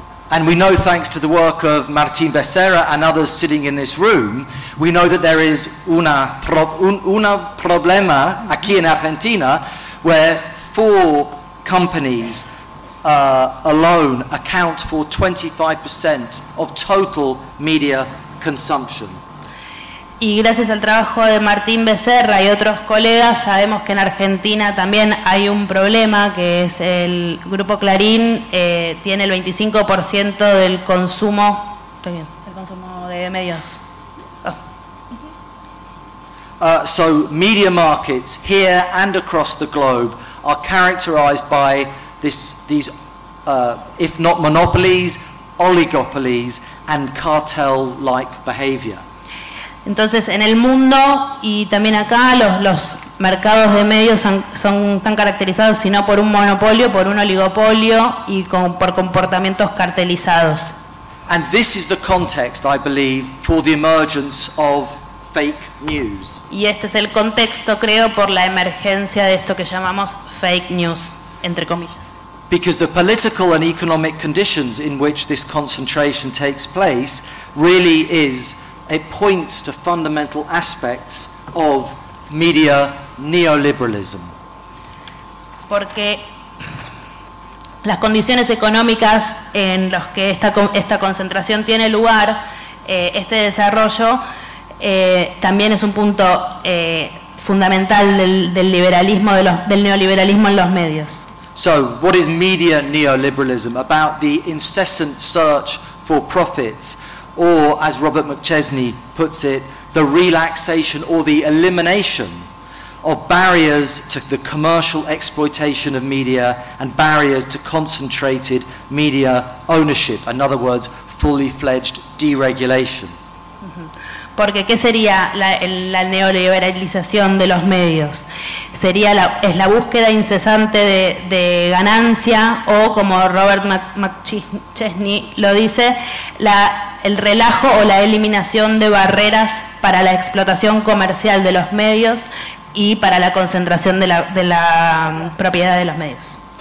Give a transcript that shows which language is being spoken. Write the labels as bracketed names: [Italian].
[English] And we know, thanks to the work of Martin Becerra and others sitting in this room, we know that there is [Spanish] una problema aquí en Argentina, [English] where four companies alone account for 25% of total media consumption. [Spanish] Y gracias al trabajo de Martín Becerra y otros colegas, sabemos que en Argentina también hay un problema, que es el grupo Clarín tiene el 25% del consumo, el consumo de medios. [English] So media markets here and across the globe are characterized by these if not monopolies, oligopolies and cartel-like behavior. [Spanish] Entonces, en el mundo y también acá, los mercados de medios son tan caracterizados sino por un monopolio, por un oligopolio y por comportamientos cartelizados. [English] And this is the context, I believe, for the emergence of fake news. [Spanish] Y este es el contexto, creo, por la emergencia de esto que llamamos fake news, entre comillas. [English] Because the political and economic conditions in which this concentration takes place really is... It points to fundamental aspects of media neoliberalism. [Spanish] Porque las condiciones económicas en las que esta concentración tiene lugar, este desarrollo también es un punto fundamental del liberalismo, del neoliberalismo en los medios. [English] So, what is media neoliberalism about the incessant search for profits, or, as Robert McChesney puts it, the relaxation or the elimination of barriers to the commercial exploitation of media and barriers to concentrated media ownership, in other words, fully fledged deregulation? [Spanish] Porque ¿qué sería la neoliberalización de los medios? Sería la búsqueda incesante de ganancia, o como Robert McChesney lo dice, el relajo o la eliminación de barreras para la explotación comercial de los medios y para la concentración de la propiedad de los medios.